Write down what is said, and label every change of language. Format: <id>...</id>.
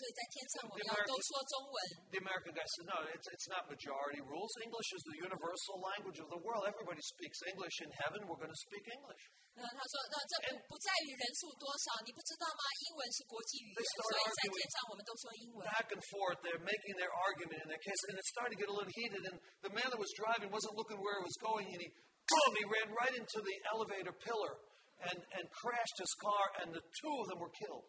<zh>然后这个亚洲人就说你不知道吗？在地上我中国人比你们白人多得多，所以在天上我们要都说中文。</zh> <en>The American guy said, "No, it's not majority rules. English is the universal language of the world. Everybody speaks English in heaven. We're going to speak English."</en> <zh>然后他说，那这不在于人数多少，你不知道吗？英文是国际语言，所以在天上我们都说英文。</zh> <en>Back and forth, they're making their argument in their case, and it's starting to get a little heated. And the man that was driving wasn't looking where it was going, and he. Boom, he ran right into the elevator pillar and crashed his car, and the two of them were killed.</en>